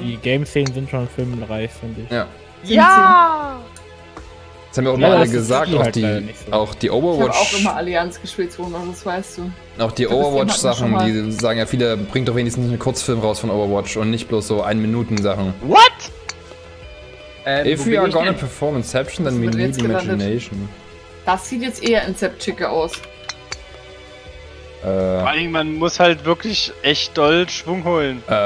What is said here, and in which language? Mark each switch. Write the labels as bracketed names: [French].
[German] Die Game-Szenen sind schon filmreif, finde ich. Ja! Ja. Das haben wir auch mal gesagt, auch die, Overwatch. Ich habe auch immer Allianz gespielt, Zonen, das weißt du. Auch die Overwatch-Sachen, die sagen ja viele, bringt doch wenigstens einen Kurzfilm raus von Overwatch und nicht bloß so 1-Minuten-Sachen. [English] What? If we are gonna perform Inception, then we need Imagination. [German] Das sieht jetzt eher Inception-chicke aus. Vor allem, man muss halt wirklich echt doll Schwung holen.